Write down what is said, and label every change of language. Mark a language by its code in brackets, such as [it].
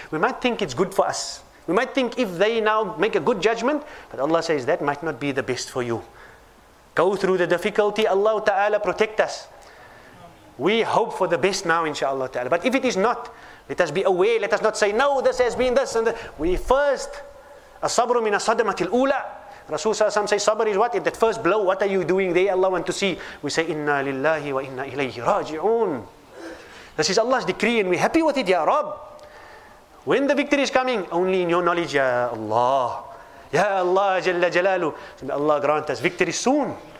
[en] We might think it's good for us. We might think if they now make a good judgment, but Allah says that might not be the best for you. Go through the difficulty, Allah Ta'ala protect us. We hope for the best now, inshaAllah Ta'ala. But if it is not, let us be aware, let us not say, no, this has been this and that. We first, [ar] الصَّبْرُ مِنَ الصَّدَمَةِ الْأُولَىٰ. [en] Rasul Sallallahu Alaihi Wasallam says, sabr is what? If that first blow, what are you doing there? Allah want to see. We say, inna lillahi wa inna ilayhi raji'un. This is Allah's decree and we're happy with it, Ya Rab. When the victory is coming, only in your knowledge, Ya Allah. Ya Allah, Jalla Jalalu. So may Allah grant us victory soon.